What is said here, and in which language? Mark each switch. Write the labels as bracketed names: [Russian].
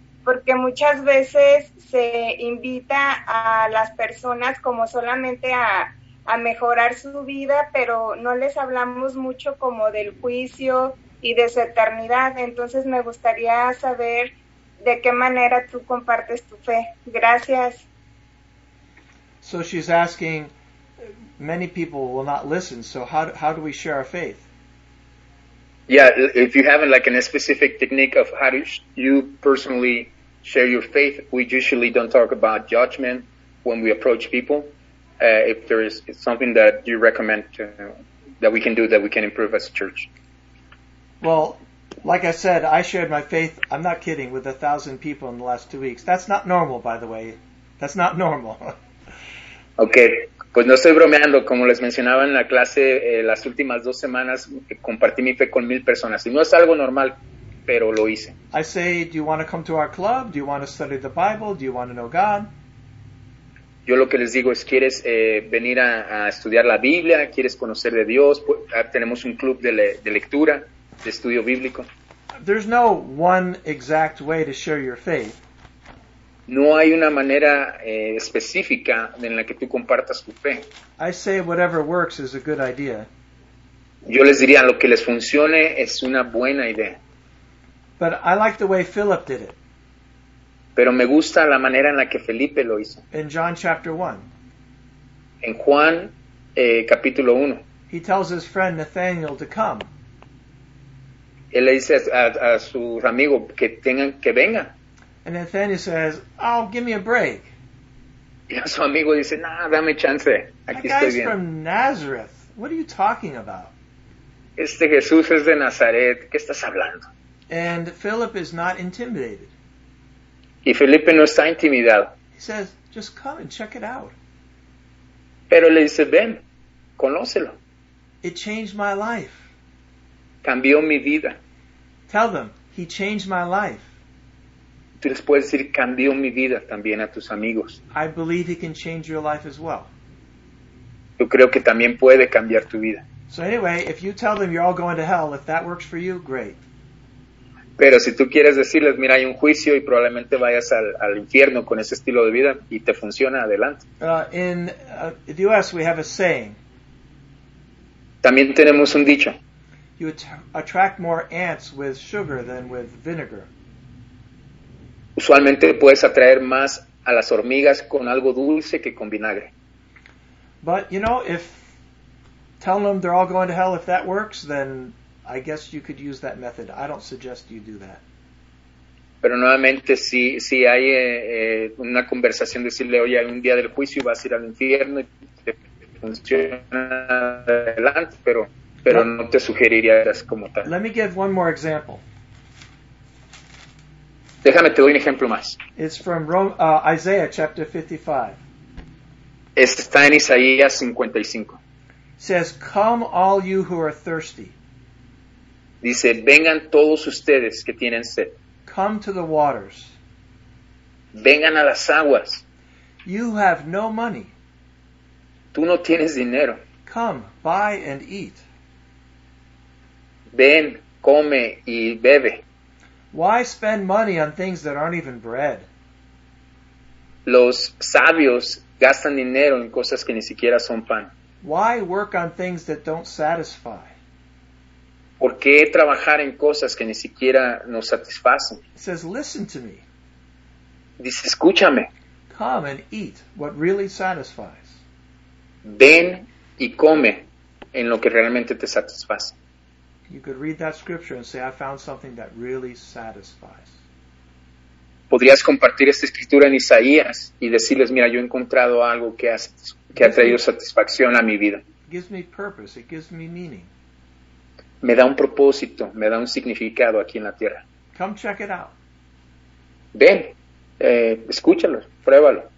[Spanish] Porque muchas veces se invita a las personas como solamente a mejorar su vida, pero no les hablamos mucho como del juicio y de su eternidad. Entonces me gustaría saber de qué manera tú compartes tu fe. Gracias. [English] So she's asking, many people will not listen, so how do we share our faith? Yeah, if you have like a specific technique of how you personally share your faith, we usually don't talk about judgment when we approach people. If there is something that you recommend that we can do that we can improve as a church. Well, like I said, I shared my faith, I'm not kidding, with 1,000 people in the last 2 weeks. That's not normal, by the way. That's not normal. Okay. [Spanish] Pues no estoy bromeando, como les mencionaba en la clase, las últimas 2 semanas compartí mi fe con 1,000 personas. Y no es algo normal, pero lo hice. [English] I say, do you want to come to our club? Do you want to study the Bible? Do you want to know God? [Spanish] Yo lo que les digo es, ¿quieres venir a estudiar la Biblia? ¿Quieres conocer de Dios? Tenemos un club de lectura, de estudio bíblico. [English] There's no one exact way to share your faith. [Spanish] No hay una manera específica en la que tú compartas tu fe. [English] I say whatever works is a good idea. [Spanish] Yo les diría, lo que les funcione es una buena idea. [English] But I like the way Philip did it. [Spanish] Pero me gusta la manera en la que Felipe lo hizo. [English] In John chapter 1. [Spanish] En Juan capítulo 1. [English] He tells his friend Nathaniel to come. [Spanish] Él le dice a su amigo que tengan que venga. [English] And Nathaniel says, oh, give me a break. [Spanish] Y su amigo dice, nah, dame chance. Aquí [English] That guy's from Nazareth. What are you talking about? [Spanish] Este Jesús es de Nazaret. ¿Qué estás hablando? [English] And Philip is not intimidated. [Spanish] Y Felipe no está intimidado. [English] He says, just come and check it out. [Spanish] Pero le dice, ven, conócelo. [English] It changed my life. [Spanish] Cambió mi vida. [English] Tell them, he changed my life. [Spanish] Tú les puedes decir, cambió mi vida también a tus amigos. [English] I believe he can change your life as well. [Spanish] Yo creo que también puede cambiar tu vida. [English] So anyway, if you tell them you're all going to hell, if that works for you, great. [Spanish] Pero si tú quieres decirles, mira, hay un juicio y probablemente vayas al infierno con ese estilo de vida y te funciona, adelante. [English] In the U.S. we have a saying. [Spanish] También tenemos un dicho. [English] You attract more ants with sugar than with vinegar. [Spanish] Usualmente puedes atraer más a las hormigas con algo dulce que con vinagre. [English] But you know, if telling them they're all going to hell, if that works, then I guess you could use that method. I don't suggest you do that. [Spanish] Pero nuevamente, si hay una conversación, decirle, oye, hay un día del juicio, vas a ir al infierno, funciona adelante, pero no te sugeriría eso como tal. [English] Let me give one more example. [Spanish] Déjame te doy un ejemplo más. [English] It's from Isaiah chapter 55. [Spanish] Está en Isaías 55. [English] It says, come all you who are thirsty. [Spanish] Dice, vengan todos ustedes que tienen sed. [English] Come to the waters. [Spanish] Vengan a las aguas. [English] You have no money. [Spanish] Tú no tienes dinero. [English] Come, buy and eat. [Spanish] Ven, come y bebe. [English] Why spend money on things that aren't even bread? [Spanish] Los sabios gastan dinero en cosas que ni siquiera son pan. [English] Why work on things that don't satisfy? [Spanish] ¿Por qué trabajar en cosas que ni siquiera nos satisfacen? [English] It says, listen to me. [Spanish] Dice, escúchame. [English] Come and eat what really satisfies. [Spanish] Ven y come en lo que realmente te satisface. [English] You could read that scripture and say, I found something that really satisfies. [Spanish] Podrías compartir esta escritura en Isaías y decirles, mira, yo he encontrado algo que ha traído satisfacción a mi vida. [English] Gives me purpose, it gives me meaning. [Spanish] Me da un propósito, me da un significado aquí en la tierra. [English] Come check it out. [Spanish] Ven, escúchalo, pruébalo.